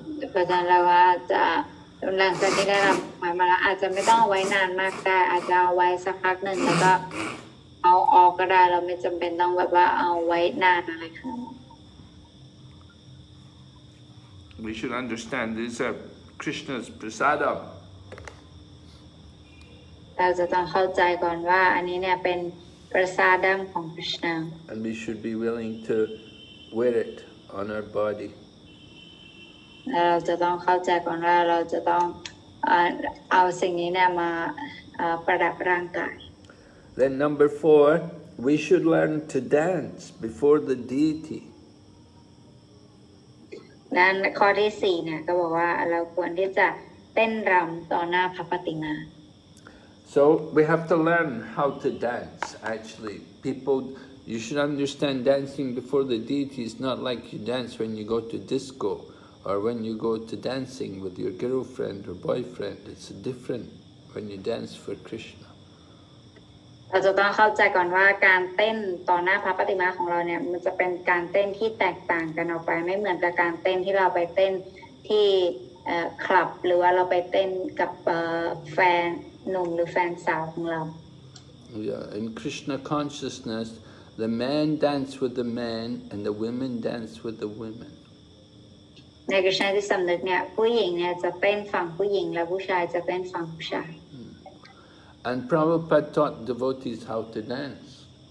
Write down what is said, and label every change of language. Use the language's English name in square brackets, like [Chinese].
[Thai] เพราะฉะนั้นเราว่าจะหลังจากที่ได้รับหมายมาแล้วอาจจะไม่ต้องเอาไว้นานมากแต่อาจจะเอาไว้สักพักหนึ่งแล้วก็เอาออกก็ได้เราไม่จำเป็นต้องแบบว่าเอาไว้นานอะไรค่ะ [English] We should understand these are Krishna's prasadam [Thai] เราจะต้องเข้าใจก่อนว่าอันนี้เนี่ยเป็นประสาดัมของ Krishna [English] And we should be willing to wear it on our body [Thai] เราจะต้องเข้าใจก่อนว่าเราจะต้องเอาสิ่งนี้เนี่ยมาประดับร่างกาย [English] Then number four, we should learn to dance before the deity. [Thai] นั้นข้อที่สี่เนี่ยก็บอกว่าเราควรที่จะเต้นรำต่อหน้าพระปฏิมา [English] So we have to learn how to dance. Actually, people, you should understand dancing before the deity is not like you dance when you go to disco. Or when you go to dancing with your girlfriend or boyfriend, it's different when you dance for Krishna. [Thai] เราจะต้องเข้าใจก่อนว่าการเต้นต่อหน้าพระปฏิมาของเราเนี่ยมันจะเป็นการเต้นที่แตกต่างกันออกไปไม่เหมือนกับการเต้นที่เราไปเต้นที่คลับหรือว่าเราไปเต้นกับแฟนหนุ่มหรือแฟนสาวของเรา [English] Yeah, in Krishna consciousness the man dance with the man and the women dance with the women [Thai] ในคริสต์ศาสนาที่สำนึกเนี่ยผู้หญิงเนี่ยจะเต้นฝั่งผู้หญิงแล้วผู้ชายจะเต้นฝั่งผู้ชาย [English] And Prabhupada taught devotees how to dance.